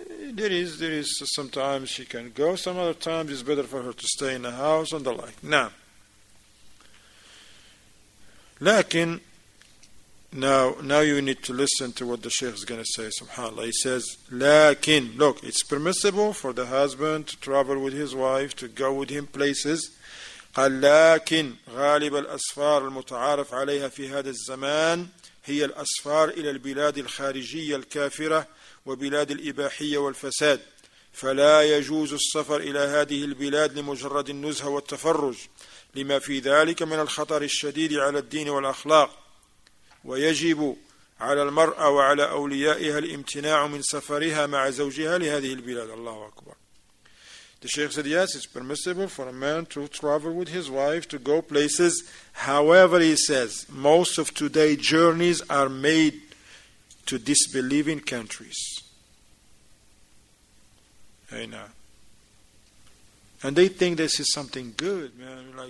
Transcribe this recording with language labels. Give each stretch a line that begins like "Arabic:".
English: There is sometimes she can go, some other times it's better for her to stay in the house and the like. Now, lakin, now you need to listen to what the Shaykh is going to say, subhanAllah. He says, lakin, look, it's permissible for the husband to travel with his wife, to go with him places.
Arabic: لكن غالب الأسفار المتعارف عليها في هذا الزمان هي الأسفار إلى البلاد الخارجية الكافرة وبلاد الإباحية والفساد فلا يجوز السفر إلى هذه البلاد لمجرد النزهة والتفرج لما في ذلك من الخطر الشديد على الدين والأخلاق ويجب على المرأة وعلى أوليائها الامتناع من سفرها مع زوجها لهذه البلاد. الله أكبر.
English: The Shaykh said, yes, it's permissible for a man to travel with his wife, to go places. However, he says, most of today's journeys are made to disbelieving countries. And they think this is something good, man.